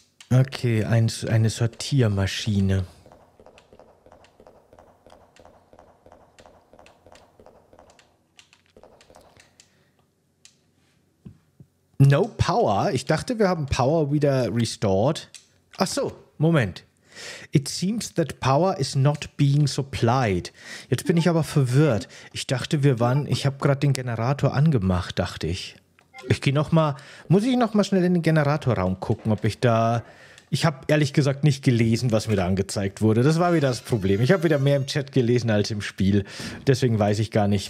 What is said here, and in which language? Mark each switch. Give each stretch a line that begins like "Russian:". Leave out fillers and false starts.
German: Okay, eine Sortiermaschine.
English: No power?
German: Ich dachte, wir haben power wieder restored. Ach so, Moment.
English: It seems that power is not being supplied.
German: Jetzt bin ich aber verwirrt. Ich dachte, ich habe gerade den Generator angemacht, dachte ich. Ich gehe nochmal, muss ich nochmal schnell in den Generatorraum gucken, ob ich da... Ich habe ehrlich gesagt nicht gelesen, was mir da angezeigt wurde. Das war wieder das Problem. Ich habe wieder mehr im Chat gelesen als im Spiel. Deswegen weiß ich gar nicht.